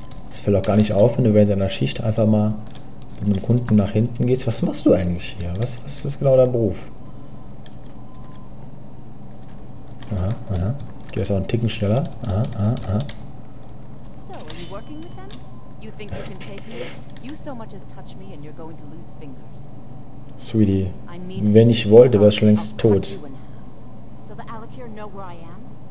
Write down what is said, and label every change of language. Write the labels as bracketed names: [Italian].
[German] Es fällt auch gar nicht auf, wenn du während deiner Schicht einfach mal mit einem Kunden nach hinten gehst. Was machst du eigentlich hier? Was ist genau dein Beruf? Aha, aha. Geht das auch einen Ticken schneller? Aha, aha, aha. [English] So, are you working with them? You think you can take me? You so much as touch me and you're going to lose fingers. [German] Sweetie, wenn ich wollte, wärst du schon längst tot. [English] So, the Alakir know where I am?